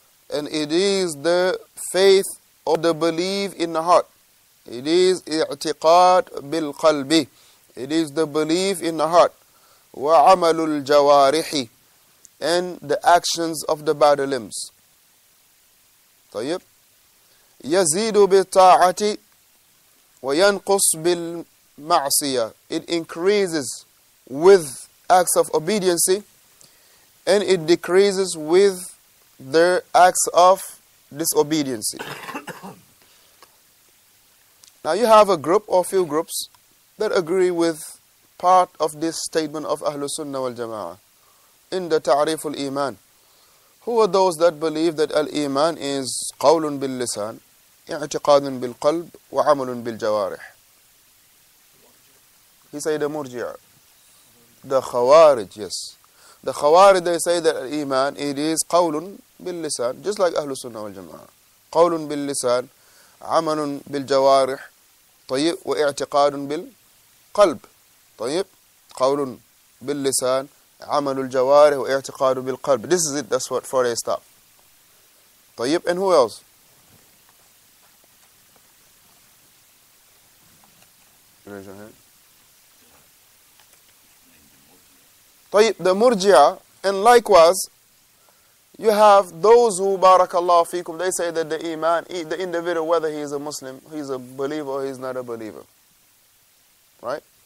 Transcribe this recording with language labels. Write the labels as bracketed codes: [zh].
[en] And it is the faith or the belief in the heart. It is [ar] اعتقاد بالقلب. [en] It is the belief in the heart. [ar] وعمل الجوارح. [en] And the actions of the body limbs. [ar] طيب. يزيد بالطاعة وينقص بالمعصية. [en] It increases with acts of obedience and it decreases with the acts of disobedience. Now you have a group or few groups that agree with part of this statement of Ahlu Sunnah wal Jama'ah in the [ar] Ta'rif al-Iman. [en] Who are those that believe that al-Iman is [ar] qawlun bil-lisan, اعتقاد بالقلب وعمل بالجوارح. [en] He say the murji'ah. The khawarij, yes. The khawarij, they say that al-Iman, it is [ar] qawlun bil-lisan, [en] just like Ahlu Sunnah wal-Jama'ah. [ar] Qawlun bil-lisan, عمل بالجوارح, طيب, واعتقاد بالقلب. طيب, qawlun bil-lisan, عمل الجوارح واعتقاد بالقلب. [en] This is it, that's what, for a stop. [ar] طيب, [en] and who else? [ar] طيب, [en] the murji'ah, and likewise, you have those who, [ar] barakallahu feekum, [en] they say that the iman, the individual, whether he is a Muslim, he's a believer or he's not a believer, right?